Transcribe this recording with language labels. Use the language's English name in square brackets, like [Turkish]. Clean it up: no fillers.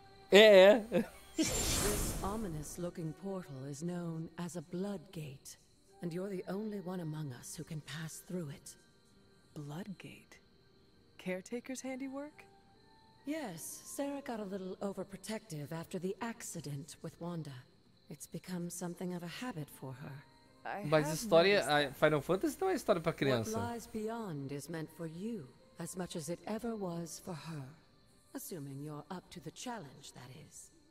[English] This ominous-looking portal is known as a blood gate, and you're the only one among us who can pass through it. Blood gate? Caretaker's handiwork? Yes, Sarah got a little overprotective after the accident with Wanda. It's become something of a habit for her. [Portuguese] Mas história, Final Fantasy não é história para criança. [English] What lies beyond is meant for you as much as it ever was for her. Assuming you're up to the challenge, that is.